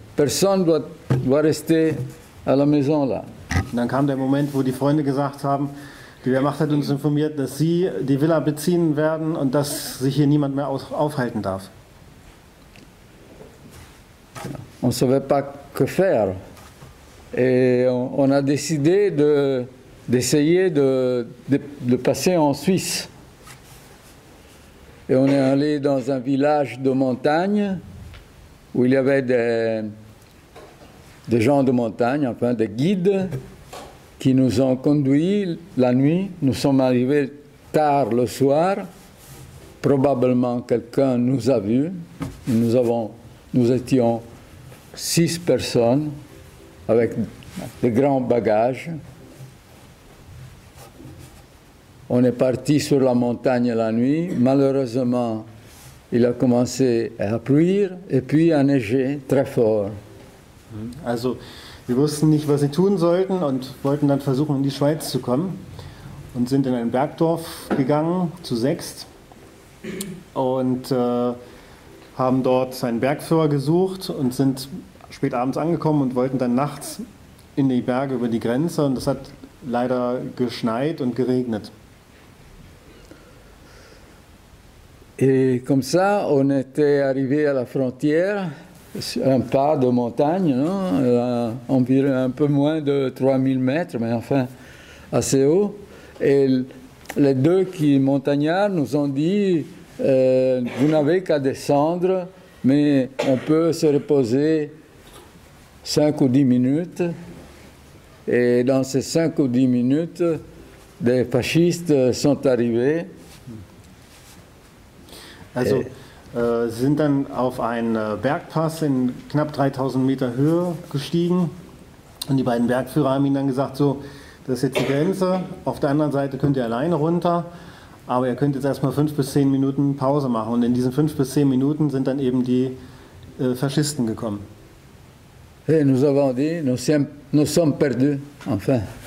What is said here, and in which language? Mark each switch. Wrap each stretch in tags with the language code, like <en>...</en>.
<fr>Personne ne doit rester à la maison là.</fr> <de>Et dann kam der Moment, wo die Freunde gesagt haben, die Wehrmacht hat uns informiert, dass sie die Villa beziehen werden und dass sich hier niemand mehr aufhalten darf.</de> <fr>On ne savait pas que faire. Et on a décidé d'essayer de passer en Suisse. Et on est allé dans un village de montagne où il y avait des gens de montagne, enfin des guides, qui nous ont conduits la nuit. Nous sommes arrivés tard le soir. Probablement quelqu'un nous a vus. Nous étions 6 personnes avec de grands bagages. On est parti sur la montagne la nuit. Malheureusement, il a commencé à pluire et puis à neiger très fort.</fr> <de>Also, wir wussten nicht, was sie tun sollten und wollten dann versuchen, in die Schweiz zu kommen und sind in ein Bergdorf gegangen, zu 6, und haben dort einen Bergführer gesucht und sind spät abends angekommen und wollten dann nachts in die Berge über die Grenze, und es hat leider geschneit und geregnet.</de> <fr>Et comme ça, on était arrivé à la frontière, un pas de montagne, non? Environ un peu moins de 3000 mètres, mais enfin assez haut. Et les deux qui montagnards nous ont dit, vous n'avez qu'à descendre, mais on peut se reposer 5 ou 10 minutes. Et dans ces 5 ou 10 minutes, des fascistes sont arrivés.</fr> <de>Also, sie sind dann auf einen Bergpass in knapp 3000 Meter Höhe gestiegen, und die beiden Bergführer haben ihnen dann gesagt, so, das ist jetzt die Grenze, auf der anderen Seite könnt ihr alleine runter, aber ihr könnt jetzt erstmal 5 bis 10 Minuten Pause machen. Und in diesen 5 bis 10 Minuten sind dann eben die Faschisten gekommen.</de> <fr>Hey, nous avons dit, nous sommes perdus, enfin.</fr>